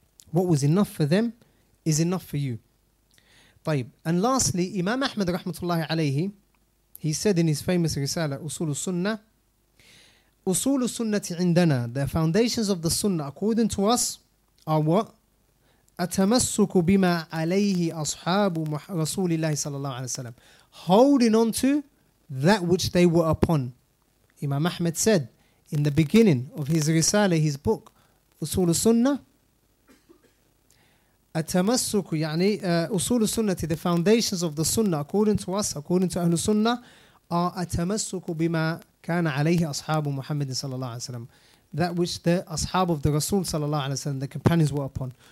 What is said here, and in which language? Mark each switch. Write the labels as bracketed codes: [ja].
[en] What was enough for them is enough for you. [ar] طيب. [en] And lastly, Imam Ahmad rahmatullahi alayhi, he said in his famous risala, [ar] أُصُولُ السُنَّةِ عِنْدَنَا [en] the foundations of the sunnah according to us are what? [ar] أَتَمَسُّكُ بِمَا عَلَيْهِ أَصْحَابُ رَسُولِ اللَّهِ صَلَى اللَّهُ عَلَيْهِ وَسَلَمْ [en] holding on to that which they were upon. Imam Ahmad said in the beginning of his risala, his book, Usul Sunnah, Atamassuku, yani Usul Sunnah, the foundations of the Sunnah according to us, according to Ahlul Sunnah, are [ar] Atamassuku bima kana alayhi ashabu Muhammad [en] sallallahu alayhi wa sallam, that which the ashab of the Rasul sallallahu alayhi wa sallam, the companions were upon.